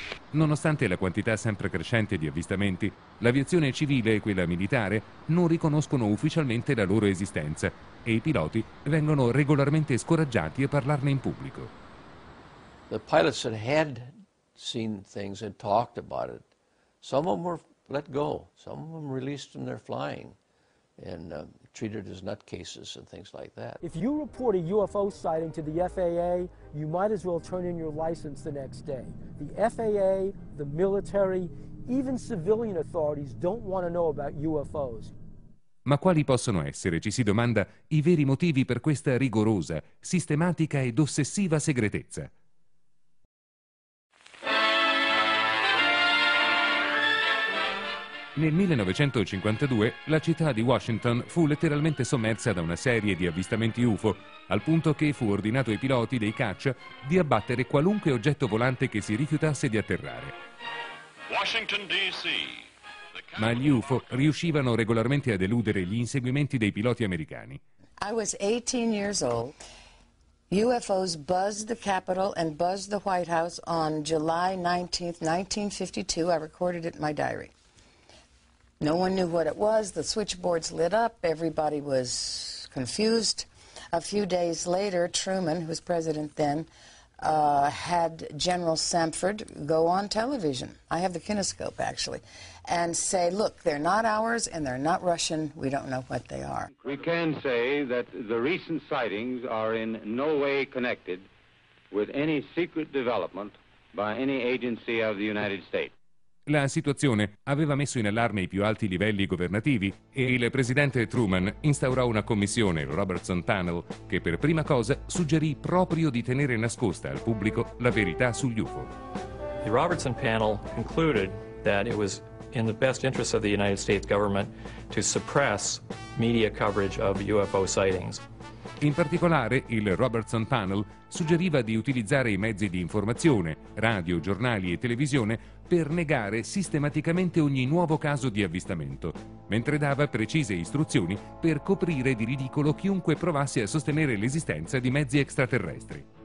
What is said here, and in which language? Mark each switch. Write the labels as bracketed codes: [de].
[it] Nonostante la quantità sempre crescente di avvistamenti, l'aviazione civile e quella militare non riconoscono ufficialmente la loro esistenza e i piloti vengono regolarmente scoraggiati a parlarne in pubblico. [en] The pilots that had seen things had talked about it. Some of them were let go, some of them released from their flying and treated as nutcases and things like that. If you report a UFO sighting to the FAA, you might as well turn in your license the next day. The FAA, the military, even civilian authorities don't want to know about UFOs. [it] Ma quali possono essere, ci si domanda, i veri motivi per questa rigorosa, sistematica ed ossessiva segretezza? Nel 1952 la città di Washington fu letteralmente sommersa da una serie di avvistamenti UFO, al punto che fu ordinato ai piloti dei caccia di abbattere qualunque oggetto volante che si rifiutasse di atterrare. [en] Washington DC. [it] Ma gli UFO riuscivano regolarmente a deludere gli inseguimenti dei piloti americani. [en] I was 18 years old. UFOs buzzed the Capitol and buzzed the White House on July 19th, 1952. I recorded it in my diary. No one knew what it was. The switchboards lit up. Everybody was confused. A few days later, Truman, who was president then, had General Samford go on television. I have the kinescope, actually, and say, look, they're not ours and they're not Russian. We don't know what they are. We can say that the recent sightings are in no way connected with any secret development by any agency of the United States. [it] La situazione aveva messo in allarme i più alti livelli governativi e il presidente Truman instaurò una commissione, il Robertson Panel, che per prima cosa suggerì proprio di tenere nascosta al pubblico la verità sugli UFO. [en] The Robertson Panel concluded that it was in the best interest of the United States government to suppress media coverage of UFO sightings. [it] In particolare, il Robertson Panel suggeriva di utilizzare i mezzi di informazione, radio, giornali e televisione, per negare sistematicamente ogni nuovo caso di avvistamento, mentre dava precise istruzioni per coprire di ridicolo chiunque provasse a sostenere l'esistenza di mezzi extraterrestri.